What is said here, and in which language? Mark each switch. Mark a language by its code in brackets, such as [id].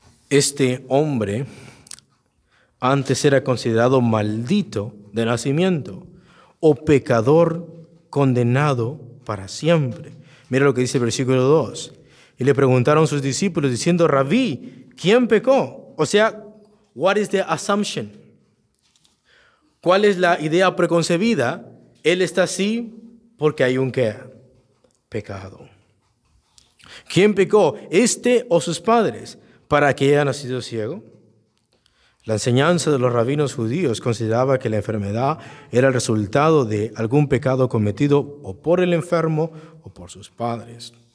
[es] Este hombre antes era considerado maldito de nacimiento o pecador condenado para siempre. Mira lo que dice el versículo 2. Y le preguntaron sus discípulos diciendo, Rabí, ¿quién pecó? O sea, [en] what is the assumption? [es] ¿Cuál es la idea preconcebida? Él está así porque hay un qué, pecado. ¿Quién pecó, este o sus padres, para que haya nacido ciego? La enseñanza de los rabinos judíos consideraba que la enfermedad era el resultado de algún pecado cometido o por el enfermo o por sus padres.